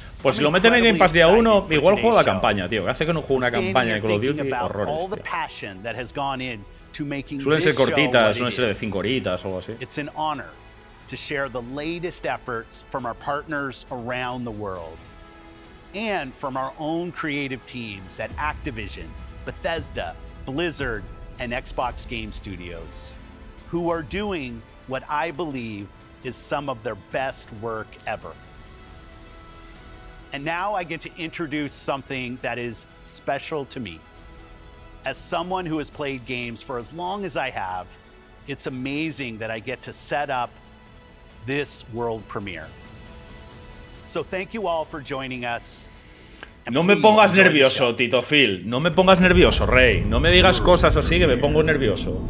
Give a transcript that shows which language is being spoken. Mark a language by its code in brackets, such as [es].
[es] Pues si lo meten en Game Pass día 1, igual juego la campaña, tío. Hace que no juego una campaña de Call of Duty, horrores, tío. Suelen ser cortitas, suelen ser de 5 horitas o algo así. [en] It's an honor to share the latest efforts from our partners around the world and from our own creative teams at Activision, Bethesda, Blizzard, and Xbox Game Studios, who are doing what I believe is some of their best work ever. And now I get to introduce something that is special to me. As someone who has played games for as long as I have, it's amazing that I get to set up this world premiere. So thank you all for joining us. [es] No me pongas nervioso, Tito Phil. No me pongas nervioso, Rey. No me digas cosas así que me pongo nervioso.